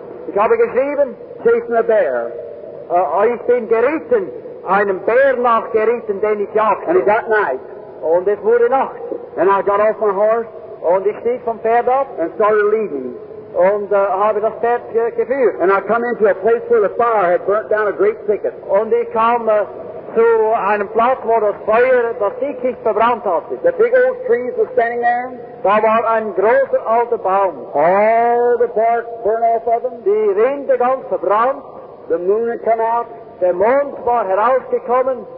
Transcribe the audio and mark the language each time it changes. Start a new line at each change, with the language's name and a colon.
German: Ich habe geschrieben.
English: Chasing a bear.
German: Ich bin geritten. Einem Bär nach geritten, den ich jagte.
English: And it got night.
German: Und es wurde Nacht.
English: And I got off my horse.
German: Und ich stieg vom Pferd ab.
English: And started leading.
German: Und habe das Pferd geführt.
English: And I come into a place where the fire had burnt down a great thicket.
German: Und ich kam zu einem Platz, wo das Feuer das Dickicht verbrannt hatte.
English: The big old trees were standing there.
German: Da war ein großer alter Baum.
English: All the bark burnt off of them.
German: Die Rinde ganz verbrannt.
English: The moon had come out.
German: Der Mond war herausgekommen.